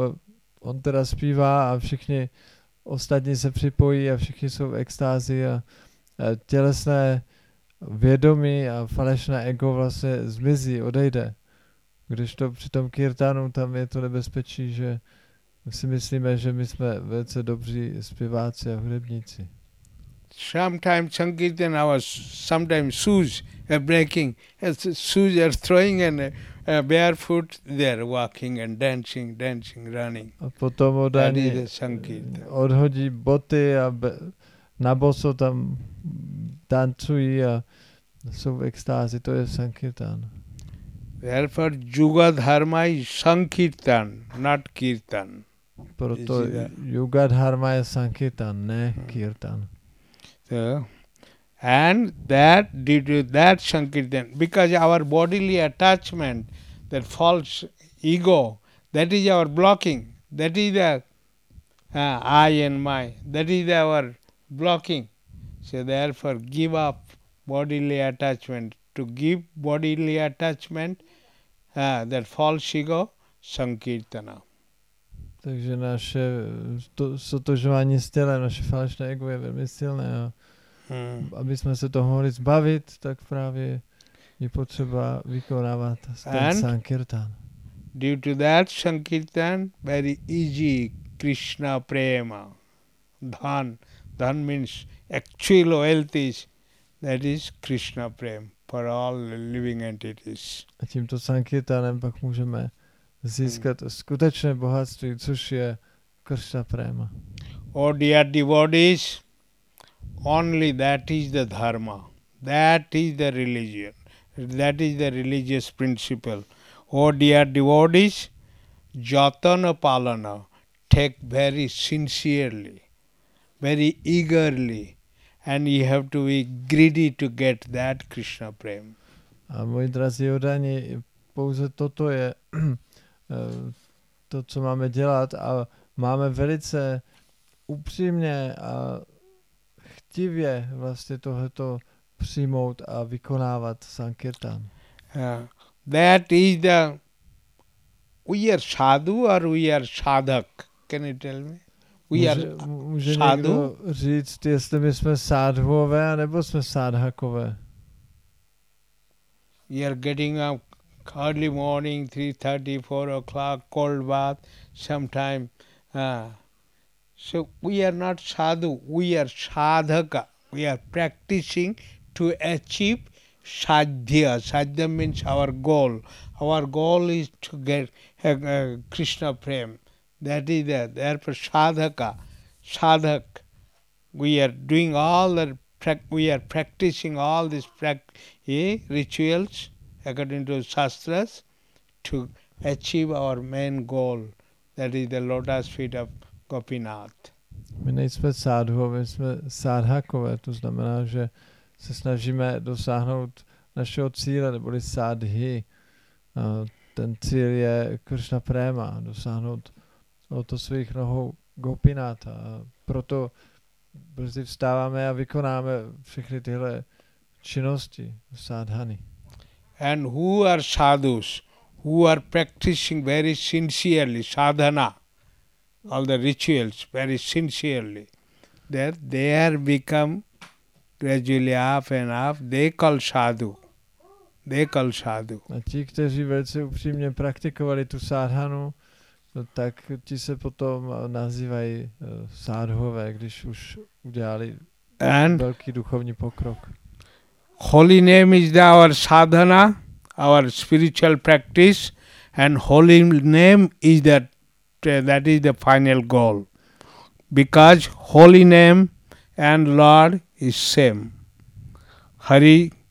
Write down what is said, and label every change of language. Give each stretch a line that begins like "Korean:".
Czech: A on teda zpívá a všichni ostatní se připojí a všichni jsou v extázi a tělesné vědomí a falešné ego vlastně zmizí, odejde. Když to při tom kirtanu, tam je to nebezpečí, že my si myslíme, že my jsme velice dobří zpěváci a hudebníci.
English: Sometimes sankirtan was sometimes shoes breaking, shoes are throwing and barefoot there walking and dancing, running.
Czech: A potom odhodí odhodí boty a na boso tam tancují a jsou v extázi, to je sankirtan.
English: Therefore yuga dharma is sankirtan, not kirtan.
Czech: Proto yuga dharma je sankirtan, ne kirtan.
English: So, and that due to that sankirtan, because our bodily attachment, that false ego, that is our blocking, that is the I and my, that is our blocking. So therefore give up bodily attachment. To give bodily attachment, that false ego, sankirtana.
Czech: Takže naše sotožování s tělem, naše falešné ego je velmi silné a aby jsme se toho mohli zbavit, tak právě je potřeba vykonávat ten sankirtan.
English: Due to that sankirtan, very easy Krishna prema, dhan. Dhan means actual wealth is, that is Krishna prema for all living entities.
Czech: A tímto sankirtanem pak můžeme získat skutečné bohatství, což je Krishna prema.
English: Oh dear devotees, only that is the dharma, that is the religion, that is the religious principle. Oh dear devotees, jatana palana, take very sincerely, very eagerly, and you have to be greedy to get that Krishna prema.
Czech: A moji drazí odaní, pouze toto je to, co máme dělat a máme velice upřímně a chtivě vlastně tohleto přijmout a vykonávat sankirtan.
English: That is the, we are sadhu or we are sadhak, can you tell me?
Czech: Může sadhu? Někdo říct, jestli my jsme sadhuové nebo jsme sadhakové?
English: You are getting up early morning, 3:30, 4 o'clock, cold bath, sometime. So we are not sadhu, we are sadhaka. We are practicing to achieve sadhya. Sadhya means our goal. Our goal is to get Krishna prema. That is there. Therefore, sadhaka, sadhak. We are doing all the, we are practicing all these rituals according to shastras to achieve our main goal, that is the lotus feet of Gopinath.
Czech: My nejsme sádhové, jsme sádhakové, to znamená, že se snažíme dosáhnout našeho cíle, neboli sádhy. Ten cíl je Krishna prema, dosáhnout lotosových nohou Gopinatha. Proto brzy vstáváme a vykonáme všechny tyhle činnosti sádhany.
English: And who are sadhus, who are practicing very sincerely sadhana, all the rituals very sincerely, that they are become gradually half and half, they call sadhu.
Czech: A ti, kteří velice upřímně praktikovali tu sadhanu, no, tak ti se potom nazývají sadhové, když už udělali
English: and
Czech: velký duchovní pokrok.
English: Holy name is the our sadhana, our spiritual practice, and holy name is that is the final goal, because holy name and Lord is same. Hari